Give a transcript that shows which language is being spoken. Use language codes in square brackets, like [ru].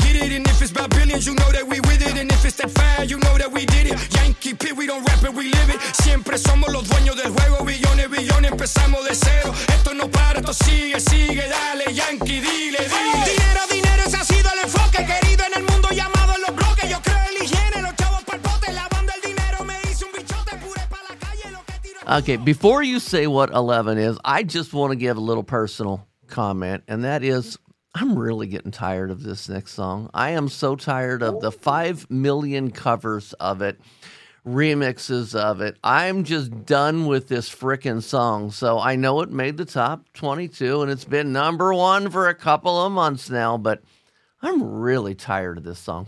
[en] You know that we with it, and if it's that fire, you know that we did it. Yankee Pit, we don't rap it, we live it. [es] Siempre somos los dueños del juego. Billones, billones, empezamos de cero. Esto no para, esto sigue, sigue. Dale, Yankee, dile, dile. Hey. Dinero, dinero, ese ha sido el enfoque querido en el mundo llamado en los bloques. Yo creo en la higiene, los chavos pa'l bote. Lavando el dinero, me hice un bichote. Pure pa' la calle, lo que tiro. [en] Okay, before you say what 11 is, I just want to give a little personal comment, and that is, I'm really getting tired of this next song. I am so tired of the 5 million covers of it, remixes of it. I'm just done with this frickin' song. So I know it made the top 22, and it's been number one for a couple of months now, but I'm really tired of this song.